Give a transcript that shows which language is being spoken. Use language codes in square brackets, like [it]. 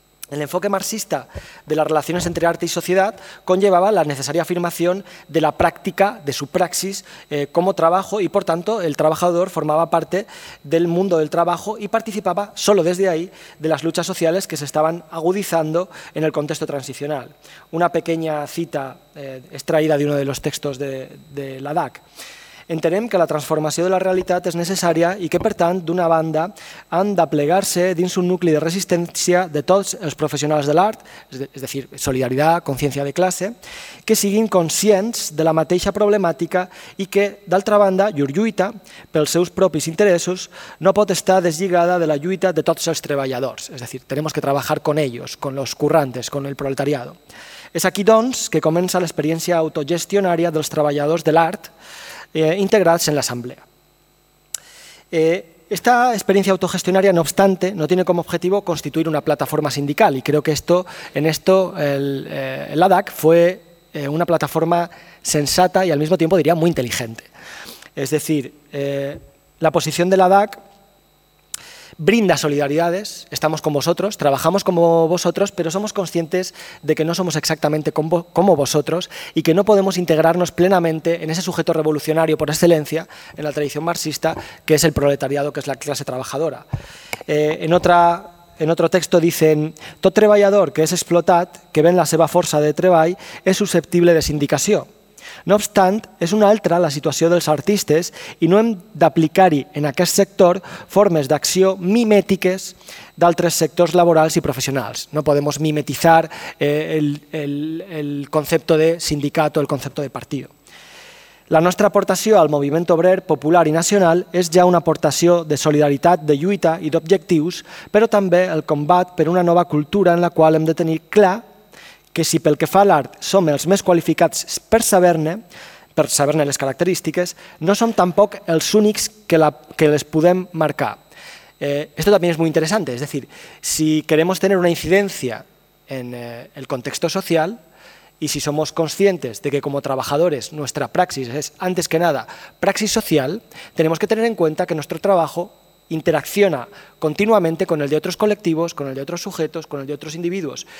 [es] El enfoque marxista de las relaciones entre arte y sociedad conllevaba la necesaria afirmación de la práctica, de su praxis, como trabajo y, por tanto, el trabajador formaba parte del mundo del trabajo y participaba, solo desde ahí, de las luchas sociales que se estaban agudizando en el contexto transicional. Una pequeña cita extraída de uno de los textos de la DAC. [ca] Entenem que la transformació de la realitat és necessària i que, per tant, d'una banda, han de plegar-se dins un nucli de resistència de tots els professionals de l'art, és a dir, solidaritat, consciència de classe, que siguin conscients de la mateixa problemàtica i que, d'altra banda, llur lluita pels seus propis interessos no pot estar deslligada de la lluita de tots els treballadors. [es] És a dir, tenemos que trabajar con ellos, con los currantes, con el proletariado. [ca] És aquí, doncs, que comença l'experiència autogestionària dels treballadors de l'art integrats en l'Assemblea. [es] Esta experiencia autogestionaria, no obstante, no tiene como objetivo constituir una plataforma sindical y creo que el ADAC fue una plataforma sensata y al mismo tiempo diría muy inteligente. Es decir, la posición del ADAC brinda solidaridades, estamos con vosotros, trabajamos como vosotros, pero somos conscientes de que no somos exactamente como vosotros y que no podemos integrarnos plenamente en ese sujeto revolucionario por excelencia, en la tradición marxista, que es el proletariado, que es la clase trabajadora. [ca] En otro texto dicen, tot treballador que és explotat, que ven la seva força de treball, és susceptible de sindicació. No obstant, és una altra la situació dels artistes i no hem d'aplicar-hi en aquest sector formes d'acció mimètiques d'altres sectors laborals i professionals. No podem mimetitzar el concepte de sindicat o el concepte de partit. La nostra aportació al moviment obrer popular i nacional és ja una aportació de solidaritat, de lluita i d'objectius, però també el combat per una nova cultura en la qual hem de tenir clar que si pel que fa a l'art som els més qualificats per saber-ne les característiques, no som tampoc els únics que les podem marcar. [es] Esto también es muy interesante, es decir, si queremos tener una incidencia en el contexto social y si somos conscientes de que como trabajadores nuestra praxis es, antes que nada, praxis social, tenemos que tener en cuenta que nuestro trabajo interacciona continuamente con el de otros colectivos, con el de otros sujetos, con el de otros individuos.